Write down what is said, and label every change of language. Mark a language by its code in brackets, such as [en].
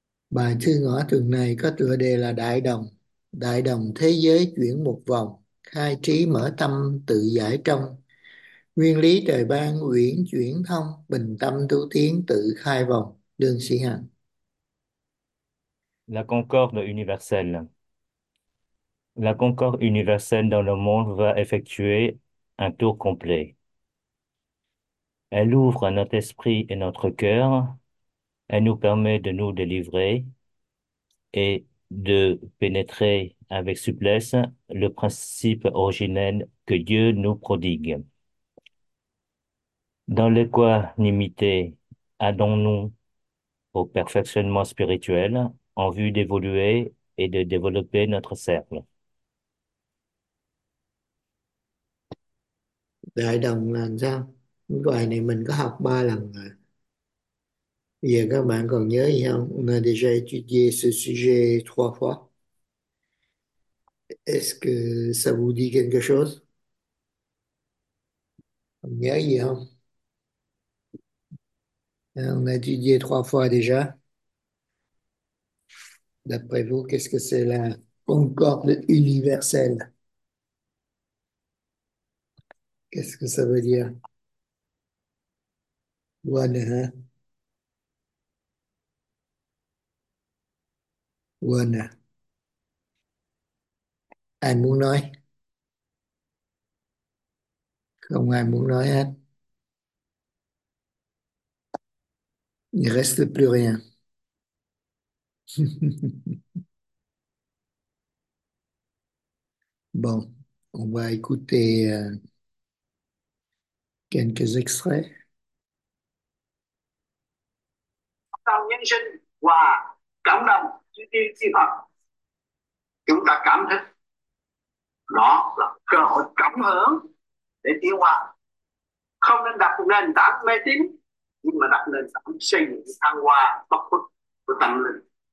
[vi] Bài thư ngữ tuần này có tựa đề là Đại Đồng. Đại Đồng thế giới chuyển một vòng, khai trí mở tâm tự giải trong. Nguyên lý trời ban uyển chuyển thông, bình tâm tu tiến tự khai vòng, đương sĩ hạnh. [fr] La concorde universelle. La concorde universelle dans le monde va effectuer un tour complet. Elle ouvre notre esprit et notre cœur. Elle nous permet de nous délivrer et de pénétrer avec souplesse le principe originel que Dieu nous prodigue. Dans l'équanimité, allons-nous au perfectionnement spirituel en vue d'évoluer et de développer notre cercle. [vi] Đại đồng là sao? Bài này mình có học 3 lần rồi. Giờ các bạn còn nhớ gì không? [fr] On a déjà étudié ce sujet 3 fois. Est-ce que ça vous dit quelque chose? [vi] Còn nhớ gì không? [fr] On a étudié 3 fois déjà. D'après vous, qu'est-ce que c'est la concorde universelle? Qu'est-ce que ça veut dire? [en] One, hein? One. [vi] Ai muốn nói? Không ai muốn nói hết. [fr] Il reste plus rien. Bon, on va écouter quelques extraits. [vi] Tạo nhân sinh và cảm động chư tiên chư Phật, chúng ta cảm thấy đó là cơ hội cảm hứng để tiến hóa, không nên đặt nền tảng mê tín nhưng mà đặt nền tảng xây dựng thăng hoa bậc của tâm linh.